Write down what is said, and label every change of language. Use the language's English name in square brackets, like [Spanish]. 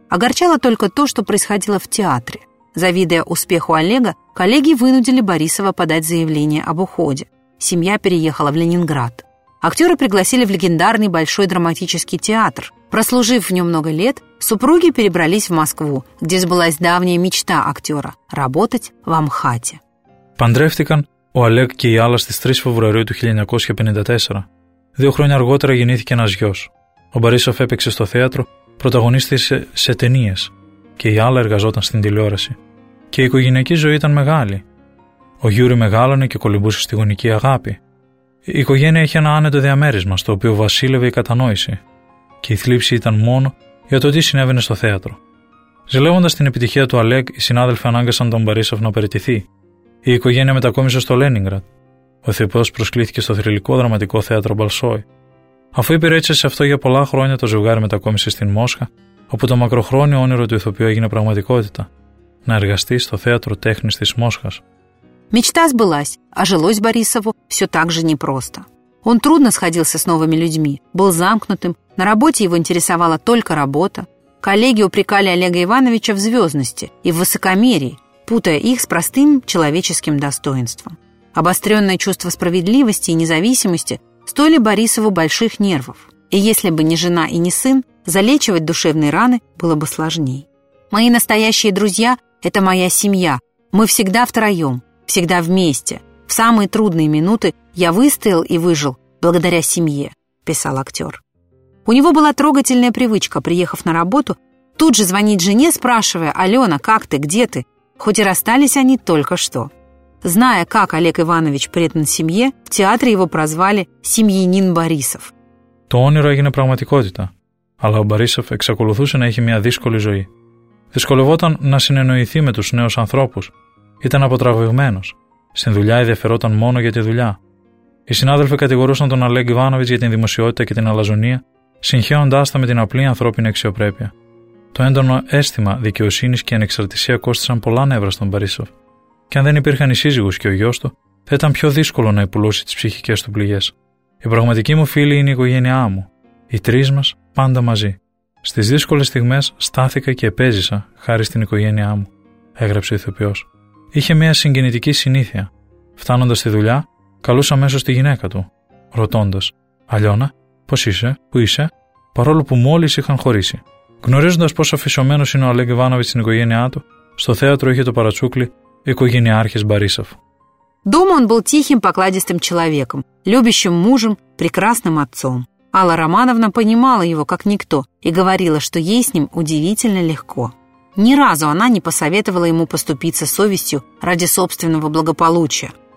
[Russian] Огорчало только то, что происходило в театре. Завидуя успеху Олега, коллеги вынудили Борисова подать заявление об уходе. Семья переехала в Ленинград. Актера пригласили в легендарный Большой драматический театр. Прослужив в нем много лет, супруги перебрались в Москву, где сбылась давняя мечта актера – работать в Амхате. [Greek] Παντρεύτηκαν ο Олег και η Άλλα στις 3 Φεβρουαρίου του 1954. Δύο χρόνια αργότερα γεννήθηκε ένας γιος. Ο Μπαρίσοφ έπαιξε στο θέατρο, πρωταγωνίστησε σε ταινίες και η Άλλα εργαζόταν στην τηλεόραση. Και η οικογενειακή ζωή ήταν μεγάλη. Ο Γιούρι μεγάλωνε και κολυμπούσε στη γονική αγάπη. Η οικογένεια είχε ένα άνετο διαμέρισμα στο οποίο βασίλευε η κατανόηση και η θλίψη ήταν μόνο για το τι συνέβαινε στο θέατρο. Ζηλεύοντας την επιτυχία του Αλέκ, οι συνάδελφοι ανάγκασαν τον Μπαρίσοφ να περιτηθεί. Η οικογένεια μετακόμισε στο Λένιγκραντ. Ο ηθοποιός προσκλήθηκε στο θρυλικό δραματικό θέατρο Μπαλσόι. Αφού υπηρέτησε σε αυτό για πολλά χρόνια, το ζευγάρι μετακόμισε στην Μόσχα, όπου το μακροχρόνιο όνειρο του ηθοποιού έγινε πραγματικότητα. Να εργαστεί στο θέατρο τέχνης της Μόσχας. [Russian] Мечта сбылась, а жилось Борисову все так же непросто. Он трудно сходился с новыми людьми, был замкнутым, на работе его интересовала только работа. Коллеги упрекали Олега Ивановича в звездности и в высокомерии, путая их с простым человеческим достоинством. Обостренное чувство справедливости и независимости стоили Борисову больших нервов. И если бы не жена и не сын, залечивать душевные раны было бы сложнее. «Мои настоящие друзья – это моя семья. Мы всегда втроем». Всегда вместе. В самые трудные минуты я выстоял и выжил благодаря семье, писал актер. У него была трогательная привычка, приехав на работу, тут же звонить жене, спрашивая: «Алена, как ты, где ты?» Хоть и расстались они только что. Зная, как Олег Иванович предан семье, в театре его прозвали «Семьянин Борисов». [Greek] То онеро эгине прагматикотита, але ο Борисов εξακολουθούσε να έχει μια δύσκολη ζωή. Δυσκολευόταν να συνεννοηθεί με τους νέους ανθρώπους. Ήταν αποτραβηγμένος. Στην δουλειά ενδιαφερόταν μόνο για τη δουλειά. Οι συνάδελφοι κατηγορούσαν τον Αλέγκ Ιβάνοβιτς για την δημοσιότητα και την αλαζονία, συγχέοντάς τα με την απλή ανθρώπινη αξιοπρέπεια. Το έντονο αίσθημα δικαιοσύνης και ανεξαρτησία κόστησαν πολλά νεύρα στον Μπαρίσοφ. Και αν δεν υπήρχαν οι σύζυγος και ο γιος του, θα ήταν πιο δύσκολο να υπουλώσει τις ψυχικές του πληγές. Η πραγματική μου φίλη είναι η οικογένειά μου. Οι τρεις μας πάντα μαζί. Στις δύσκολες στιγμές στάθηκα και επέζησα χάρη στην οικογένειά μου, έγραψε ο ηθοποιός. Είχε μια συγκινητική συνήθεια. Φτάνοντας στη δουλειά, καλούσε αμέσως τη γυναίκα του, ρωτώντας: «Αλιώνα, πώς είσαι, πού είσαι?» Παρόλο που μόλις είχαν χωρίσει. Γνωρίζοντας πόσο αφισωμένος είναι ο Αλέγκ Ιβάνοβιτς στην οικογένειά του, στο θέατρο είχε το παρατσούκλι «Οικογενειάρχης Μπαρίσοφ». [Russian] Дома он был тихим, покладистым человеком, любящим мужем, прекрасным отцом. Алла Романовна понимала его как никто и говорила, что ей с ним удивительно легко. Ни разу она не посоветовала ему поступиться совестью ради собственного благополучия.